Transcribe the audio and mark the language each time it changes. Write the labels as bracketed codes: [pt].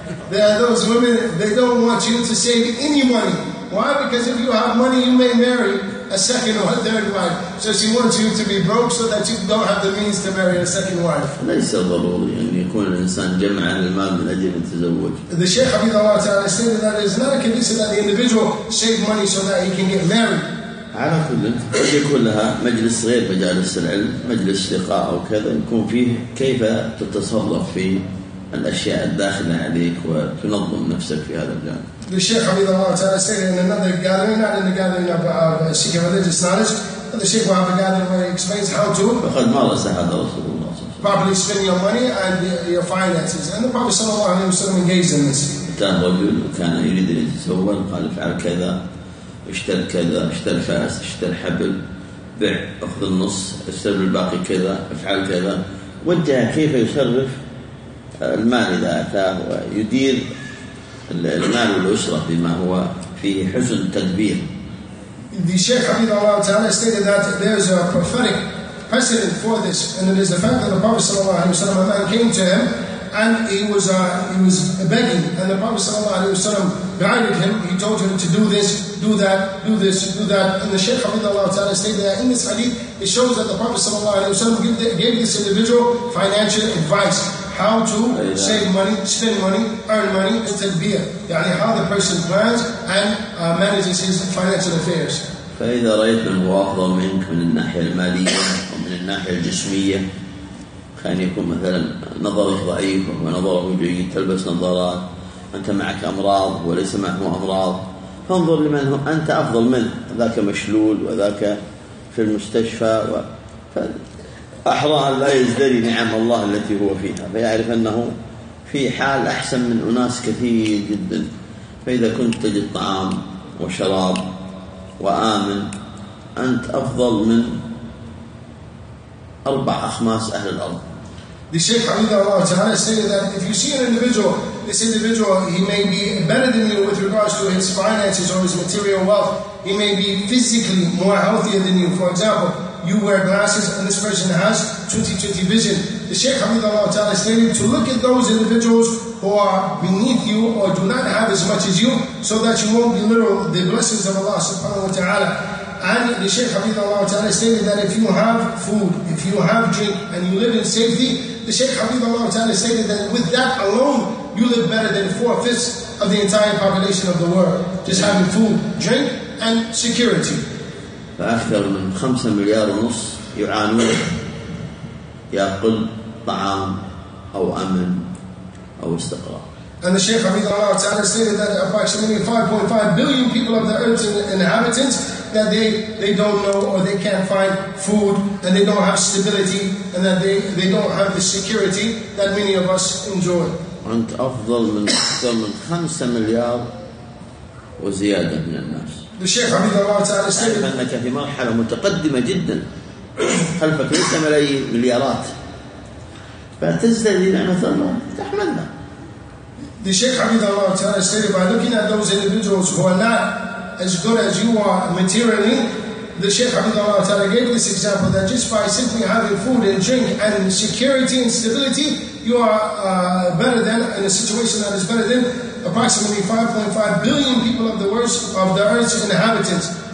[en] There are those women, they don't want you to save any money. Why? Because if you have money, you may marry. a second or a third wife. So she wants you to be broke so that you don't have the means to marry a second wife. [ar] ليس ضروري أن يكون الإنسان جمع المال من أجل التزوج. [en] The Shaykh Habib Allah Ta'ala said that it's not a condition that the individual save money so that he can get married. [ar] على كل قد يكون لها مجلس صغير مجالس العلم مجلس لقاء أو كذا يكون فيه كيف تتصرف في الأشياء الداخلة عليك وتنظم نفسك في هذا الجانب. [en] The Shaykh Habib Allah Ta'ala said in another gathering, not in the gathering of Sikh religious knowledge, but the Shaykh will have a gathering where he explains how to [ar] فقد مارس هذا رسول الله [en] properly spend your money and your finances. And the Prophet صلى الله عليه وسلم engaged in this. [ar] كان رجل وكان يريد أن يتزوج قال افعل كذا اشتر كذا اشتر فاس اشتر حبل بع اخذ النص اشتر الباقي كذا افعل كذا وجه كيف يصرف المال اذا اتاه ويدير المال والاسره بما هو فيه حسن تدبير. [en] The Shaykh Habib Allah Ta'ala stated that there is a prophetic precedent for this, and it is the fact that the Prophet sallallahu alaihi wasallam, a man came to him and he was begging, and the Prophet sallallahu alaihi wasallam guided him. He told him to do this, do that, do this, do that. And the Shaykh Habib Allah Ta'ala stated that in this hadith, it shows that the Prophet sallallahu alaihi wasallam gave this individual financial advice how to save money, spend money, earn money, and tadbir. يعني how the person plans and manages his financial affairs. [ar] فإذا رأيت من واحد منك من الناحية المالية ومن الناحية الجسمية كان يكون مثلا نظرك ضعيف ونظرك جيد تلبس نظارات أنت معك أمراض وليس معهم أمراض فانظر لمن هو أنت أفضل منه ذاك مشلول وذاك في المستشفى فأحرى أن لا يزدري نعم الله التي هو فيها فيعرف أنه في حال أحسن من أناس كثير جدا فإذا كنت تجد طعام وشراب وآمن أنت أفضل من أربع أخماس أهل الأرض. [en] The Shaykh Habib Allah Ta'ala stated that if you see an individual, this individual, he may be better than you with regards to his finances or his material wealth. He may be physically more healthier than you. For example, you wear glasses and this person has 20/20 vision. The Shaykh Habib Allah Ta'ala stated to look at those individuals who are beneath you or do not have as much as you so that you won't belittle the blessings of Allah Subhanahu Wa Ta'ala. And the Shaykh Habib Allah Ta'ala stated that if you have food, if you have drink, and you live in safety, the Shaykh Habib Allah Ta'ala stated that with that alone, you live better than 4/5 of the entire population of the world. Just having food, drink, and security. [ar] فأكثر من 5.5 مليار يعانون يأكل طعام أو أمن أو استقرار. [en] And the Shaykh Habib Allah Ta'ala stated that approximately 5.5 billion people of the earth's inhabitants that they don't know or they can't find food and they don't have stability and that they don't have the security that many of us enjoy. [ar] أنت أفضل من 5 مليار وزيادة من الناس. [en] The Shaykh Habib Allah Ta'ala stated [ar] أنك في مرحلة متقدمة جدا خلفك ليس ملايين مليارات فتزدري نعمة الله تحملنا. [en] The Shaykh Habib Allah Ta'ala stated by looking at those individuals who are not as good as you are materially, the Shaykh Habib Allah Ta'ala gave this example that just by simply having food and drink and security and stability, you are better than, in a situation that is better than, approximately 5.5 billion people of the world, of the earth's inhabitants.